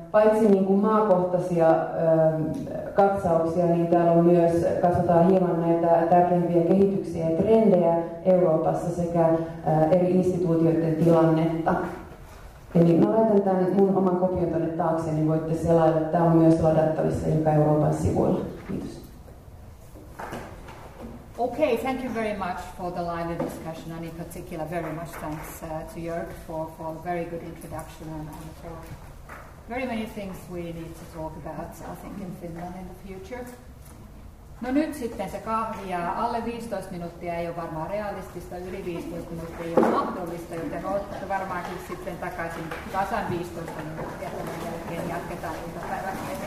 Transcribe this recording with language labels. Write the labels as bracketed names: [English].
[Finnish] paitsi niin kuin maakohtaisia katsauksia, niin täällä on myös, katsotaan hieman näitä tärkeimpiä kehityksiä ja trendejä Euroopassa sekä eri instituutioiden tilannetta. Eli mä laitan tämän mun oman kopion tuonne taakse, niin voitte selailla, että tämä on myös ladattavissa joka Euroopan sivuilla. Kiitos. [English] Okay, thank you very much for the lively discussion, and in particular, very much thanks to Jörg for a very good introduction and for very many things we need to talk about, I think, in Finland in the future. [Finnish] No nyt sitten se kahvi, ja alle 15 minuuttia ei ole varmaan realistista, yli 15 minuuttia ei ole mahdollista, joten olette varmaankin sitten takaisin tasan 15 minuuttia, ja tämän jälkeen jatketaan iltapäivän.